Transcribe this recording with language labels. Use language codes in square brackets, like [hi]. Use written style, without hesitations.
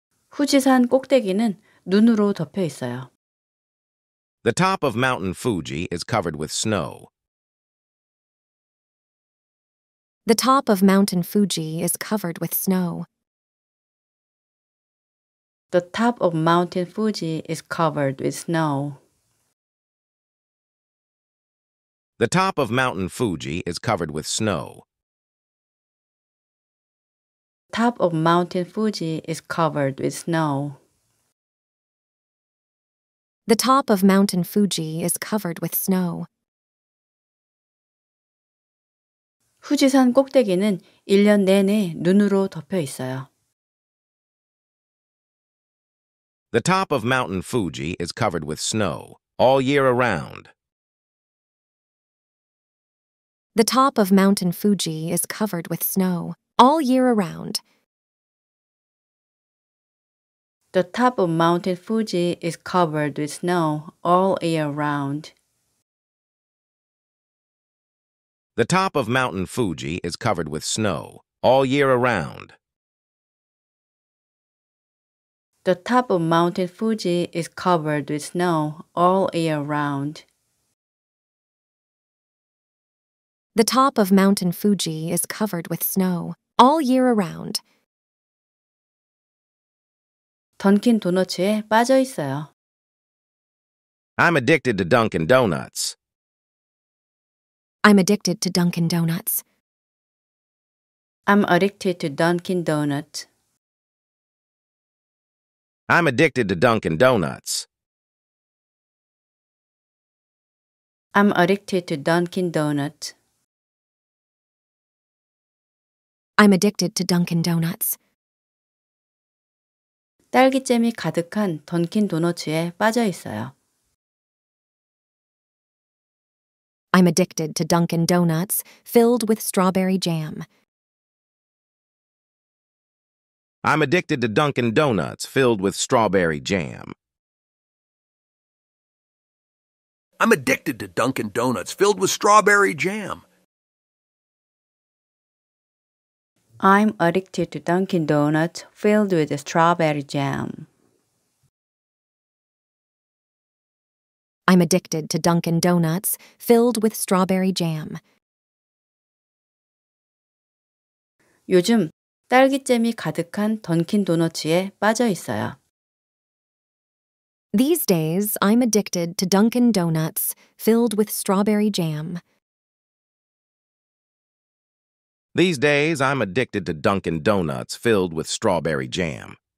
[ko] 후지산 꼭대기는 눈으로 덮여 있어요. [en] The top of Mountain Fuji is covered with snow. The top of Mountain Fuji is covered with snow. The top of Mountain Fuji is covered with snow. The top of Mountain Fuji is covered with snow. Top of Mountain Fuji is covered with snow. The top of Mountain Fuji is covered with snow. [ko] 후지산 꼭대기는 1년 내내 눈으로 덮여 있어요. [en] The top of Mountain Fuji is covered with snow all year around. The top of Mountain Fuji is covered with snow all year around. The top of Mountain Fuji is covered with snow all year round. The top of Mountain Fuji is covered with snow all year around. The top of Mountain Fuji is covered with snow all year round. The top of Mountain Fuji is covered with snow all year around. [ko] 던킨 도너츠에 빠져 있어요. [en] I'm addicted to Dunkin' Donuts. I'm addicted to Dunkin' Donuts. I'm addicted to Dunkin' Donuts. I'm addicted to Dunkin' Donuts. I'm addicted to Dunkin' Donuts. I'm addicted to Dunkin' Donuts. [ko] 딸기잼이 가득한 던킨 도너츠에 빠져 있어요. [en] I'm addicted to Dunkin' Donuts filled with strawberry jam. I'm addicted to Dunkin' Donuts filled with strawberry jam. I'm addicted to Dunkin' Donuts filled with strawberry jam. I'm addicted to Dunkin' Donuts filled with strawberry jam. I'm addicted to Dunkin' Donuts filled with strawberry jam. [ko] 요즘 딸기잼이 가득한 던킨 도너츠에 빠져 있어요. [en] These days, I'm addicted to Dunkin' Donuts filled with strawberry jam. These days, I'm addicted to Dunkin' Donuts filled with strawberry jam.